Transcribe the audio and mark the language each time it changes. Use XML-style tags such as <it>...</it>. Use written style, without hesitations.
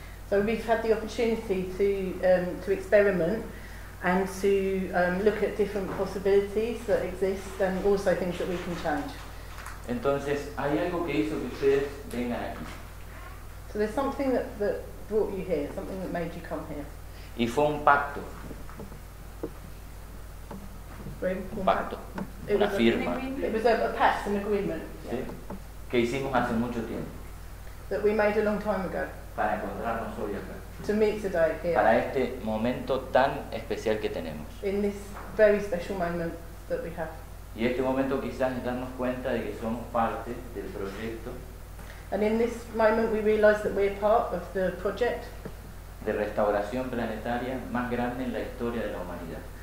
<en>So we've had the opportunity to experiment and to look at different possibilities that exist and also things that we can change.</en> <es>Entonces, ¿hay algo que hizo que ustedes vengan aquí?</es> <en>So there's something that brought you here, something that made you come here.</en> <es>Y fue un pacto. Un pacto. Una firma.</es> <en>It was a pact, an agreement.</en> <es>Sí. Que hicimos hace mucho tiempo.</es> <en>That we made a long time ago.</en> <es>Para encontrarnos hoy acá.</es> <en>To meet today here.</en> <es>Para este momento tan especial que tenemos.</es> <en>In this very special moment that we have.</en> <es>Y este momento quizás es darnos cuenta de que somos parte del proyecto.</es> <en>And in this moment we realize that we're part of the project.</en> <es>De restauración planetaria más grande en la historia de la humanidad.</es>